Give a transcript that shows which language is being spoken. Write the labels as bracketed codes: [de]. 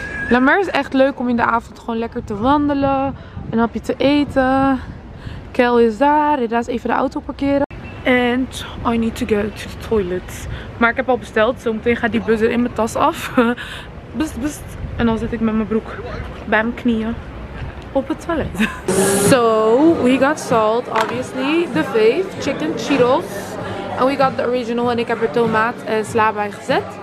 [nl] La Mer is echt leuk om in de avond gewoon lekker te wandelen. Een hapje te eten. Kel is daar. Rida is even de auto parkeren. [en] And I need to go to the toilet. [nl] Maar ik heb al besteld. Zometeen gaat die bus er in mijn tas af. Best, best. En dan zit ik met mijn broek bij mijn knieën op het toilet. [en] So, we got salt, obviously. The fave, chicken, Cheetos. And we got the original. [nl] En ik heb er tomaat en sla bij gezet.